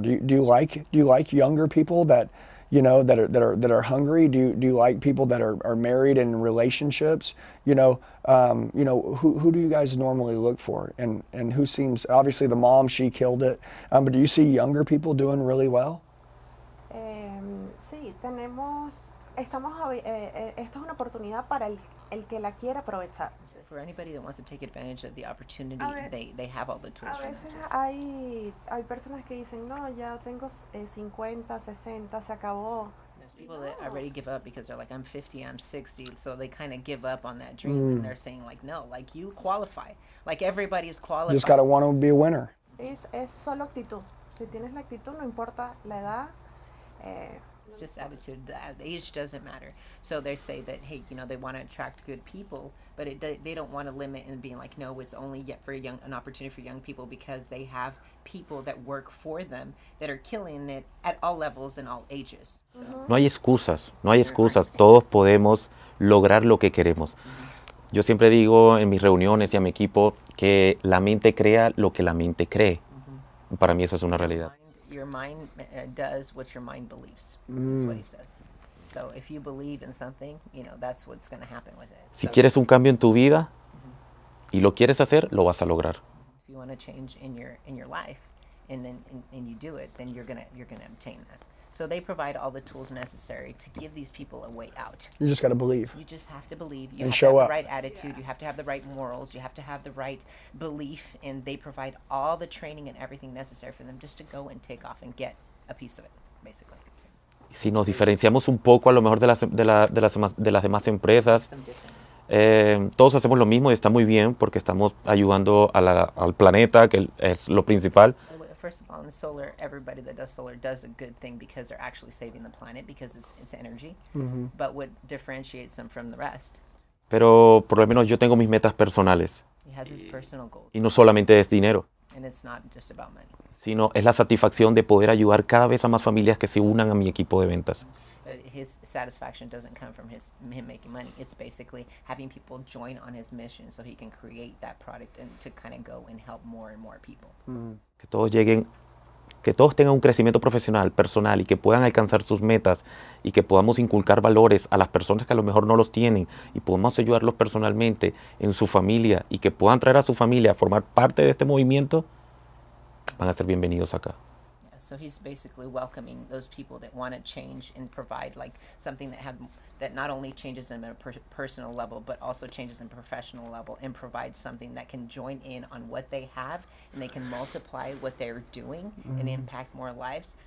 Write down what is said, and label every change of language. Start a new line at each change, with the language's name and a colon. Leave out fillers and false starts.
English: Do you like younger people that, you know, that are hungry? Do you like people that are married in relationships? You know, who do you guys normally look for? And who seems, obviously the mom, she killed it. But do you see younger people doing really well?
Spanish: Sí, tenemos. Esta es una oportunidad para el que la quiera aprovechar.
English: For anybody that wants to take advantage of the opportunity, they have all the tools.
Spanish: A veces hay personas que dicen, no, ya tengo 50, 60, se acabó.
English: There's people that already give up because they're like, I'm 50, I'm 60, so they kind of give up on that dream. And they're saying like, no, like you qualify. Like everybody is qualified. You just gotta want to be a winner.
Spanish: Es solo actitud. Si tienes la actitud, no importa la edad.
English: It's just attitude. The age doesn't matter. So they say that, hey, you know, they want to attract good people, but they don't want to limit and being like, no, it's only yet for an opportunity for young people, because they have people that work for them that are killing it at all levels and all ages. So.
Spanish: No hay excusas. No hay excusas. Todos podemos lograr lo que queremos. Yo siempre digo en mis reuniones y a mi equipo que la mente crea lo que la mente cree. Para mí esa es una realidad.
English: Your mind does what your mind believes. That's what he says. So if you believe in something, you know, that's what's going to happen with it.
Spanish: Si quieres un cambio en tu vida y lo quieres hacer, lo vas a lograr.
English: If you want to change in your life and then and you do it, then you're going to obtain that. So they provide all the tools necessary to give these people a way out. You just got to believe. You just have to believe. You and have show to have up. The right attitude. Yeah. You have to have the right morals. You have to have the right belief. And they provide all the training and everything necessary for them just to go and take off and get a piece of it, basically.
Spanish: Si nos diferenciamos un poco a lo mejor de las demás empresas, todos hacemos lo mismo y está muy bien porque estamos ayudando al planeta, que es lo principal.
English: First of all, in solar, everybody that does solar does a good thing because they're actually saving the planet because it's energy. Mm-hmm. But what differentiates them from the rest?
Spanish: Pero por lo menos yo tengo mis metas personales.
English: He has his personal goals.
Spanish: Y no solamente es dinero.
English: And it's not just about money.
Spanish: Sino es la satisfacción de poder ayudar cada vez a más familias que se unan a mi equipo de ventas.
English: But his satisfaction doesn't come from him making money. It's basically having people join on his mission so he can create that product and to kind of go and help more and more people.
Spanish: Que todos lleguen, que todos tengan un crecimiento profesional, personal, y que puedan alcanzar sus metas, y que podamos inculcar valores a las personas que a lo mejor no los tienen, y podamos ayudarlos personalmente en su familia, y que puedan traer a su familia a formar parte de este movimiento, van a ser bienvenidos acá.
English: So he's basically welcoming those people that want to change and provide like something that not only changes them at a personal level, but also changes them professional level and provides something that can join in on what they have and they can multiply what they're doing and impact more lives.